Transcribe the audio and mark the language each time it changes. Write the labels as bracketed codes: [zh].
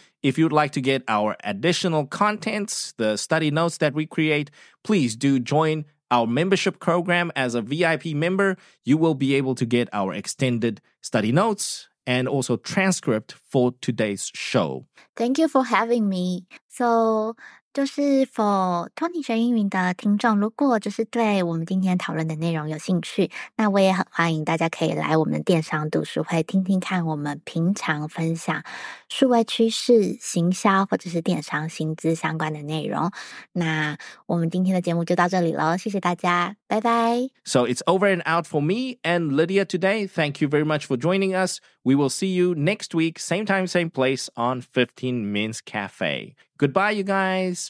[en] If you'd like to get our additional contents, the study notes that we create, please do join our membership program as a VIP member. You will be able to get our extended study notes and also transcript for today's show. Thank you for having me. [zh] So, 就是 for Tony 学英语的听众，如果就是对我们今天讨论的内容有兴趣，那我也很欢迎大家可以来我们电商读书会听听看我们平常分享数位趋势、行销或者是电商薪资相关的内容。那我们今天的节目就到这里了，谢谢大家，拜拜。 [en] So it's over and out for me and Lydia today. Thank you very much for joining us. We will see you next week, same time, same place on 15 Mins Cafe. Goodbye, you guys.